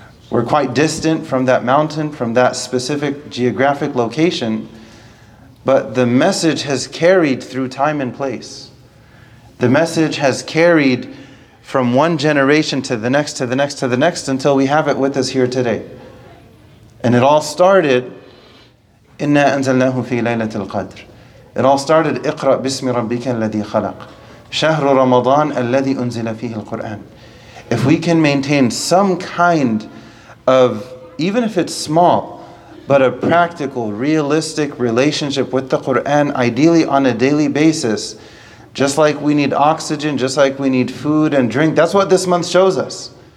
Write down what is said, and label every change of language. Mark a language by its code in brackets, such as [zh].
[en] We're quite distant from that mountain, from that specific geographic location, but the message has carried through time and place. The message has carried from one generation to the next, to the next, to the next, until we have it with us here today. And it all started, [ar] إِنَّا أَنزَلْنَاهُ فِي لَيْلَةِ الْقَدْرِ. [en] It all started, [ar] اِقْرَأْ بِاسْمِ رَبِّكَ الَّذِي خَلَقْ شَهْرُ رَمَضَانَ الَّذِي أُنزِلَ فِيهِ الْقُرْآنِ. [en] If we can maintain some kind of, even if it's small, but a practical, realistic relationship with the Qur'an, ideally on a daily basis, just like we need oxygen, just like we need food and drink, that's what this month shows us.